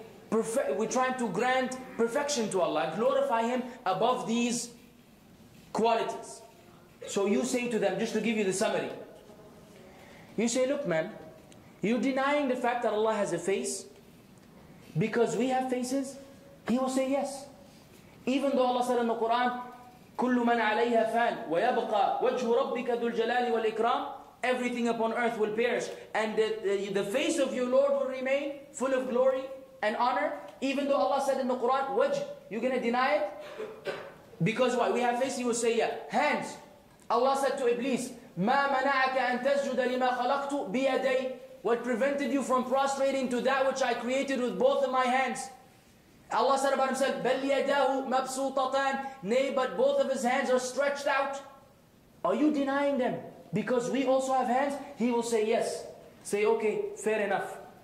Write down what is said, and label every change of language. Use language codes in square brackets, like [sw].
[en] We're trying to grant perfection to Allah, glorify Him above these qualities. So you say to them, just to give you the summary, you say, look man, you're denying the fact that Allah has a face because we have faces? He will say yes. Even though Allah said in the Quran, [ar] كُلُّ مَنْ عَلَيْهَا فَانْ وَيَبْقَى وَجْهُ رَبِّكَ ذُو الْجَلَالِ وَالْإِكْرَامِ. [en] Everything upon earth will perish, and the face of your Lord will remain full of glory and honor. Even though Allah said in the Quran, وَجْهُ, you're going to deny it? Because why? We have faces, He will say yeah. Hands. Allah said to Iblis, [ar] مَا مَنَعَكَ أَن تَسْجُدَ لِمَا خَلَقْتُ بِيَدَيْ. [en] What prevented you from prostrating to that which I created with both of my hands? Allah said about Himself, [ar] بَلْ يَدَاهُ مَبْسُوطَتَانِ. [en] Nay, but both of His hands are stretched out. Are you denying them because we also have hands? He will say yes. Say, okay, fair enough.